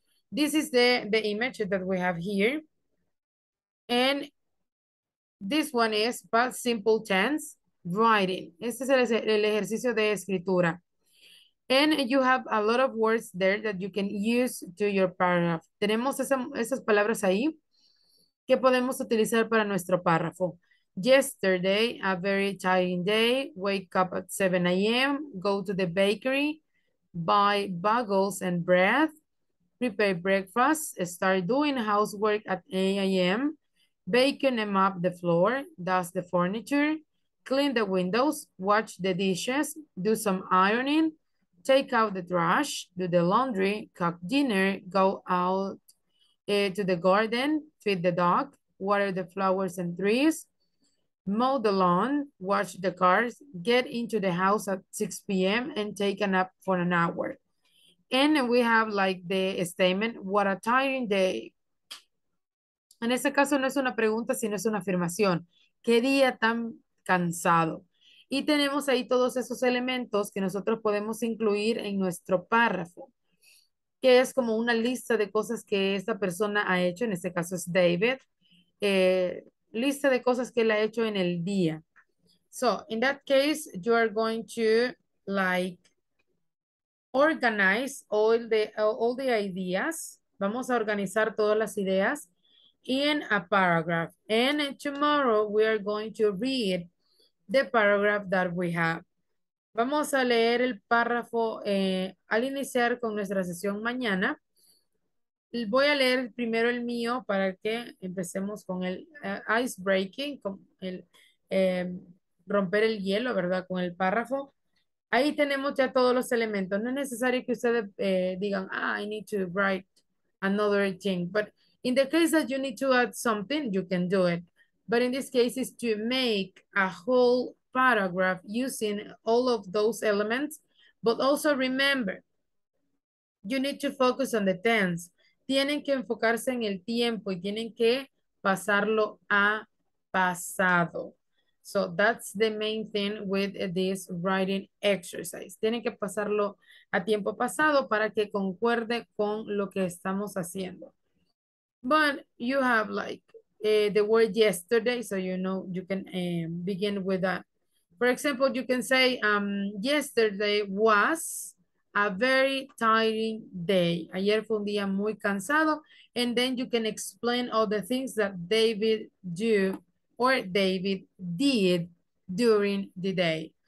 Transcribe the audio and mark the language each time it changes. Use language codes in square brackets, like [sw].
[en] This is the image that we have here. And this one is past simple tense writing. [es] Este es el ejercicio de escritura. [en] And you have a lot of words there that you can use to your paragraph. [es] Tenemos esas palabras ahí que podemos utilizar para nuestro párrafo. [en] Yesterday, a very tiring day, wake up at 7 a.m., go to the bakery, buy bagels and bread, prepare breakfast, start doing housework at 8 a.m., bacon and mop the floor, dust the furniture, clean the windows, wash the dishes, do some ironing, take out the trash, do the laundry, cook dinner, go out to the garden, feed the dog, water the flowers and trees, mow the lawn, wash the cars, get into the house at 6 p.m. and take a nap for an hour. And we have like the statement, what a tiring day. [es] En este caso no es una pregunta, sino es una afirmación. ¿Qué día tan cansado? Y tenemos ahí todos esos elementos que nosotros podemos incluir en nuestro párrafo, que es como una lista de cosas que esta persona ha hecho, en este caso es David, lista de cosas que él ha hecho en el día. [en] So, in that case, you are going to like organize all the ideas [es] Vamos a organizar todas las ideas [en] in a paragraph. And tomorrow we are going to read the paragraph that we have. [es] Vamos a leer el párrafo al iniciar con nuestra sesión mañana. Voy a leer primero el mío para que empecemos con el icebreaking, con el romper el hielo, ¿verdad? Con el párrafo. Ahí tenemos ya todos los elementos. No es necesario que ustedes digan, ah, [en] I need to write another thing. But in the case that you need to add something, you can do it. But in this case, it's to make a whole paragraph using all of those elements. But also remember, you need to focus on the tense. [es] Tienen que enfocarse en el tiempo y tienen que pasarlo a pasado. [en] So that's the main thing with this writing exercise. [es] Tienen que pasarlo a tiempo pasado para que concuerde con lo que estamos haciendo. [en] But you have like the word yesterday, so you know you can begin with that. For example, you can say, yesterday was a very tiring day. [es] Ayer fue un día muy cansado. [en] And then you can explain all the things that David do or David did during the day.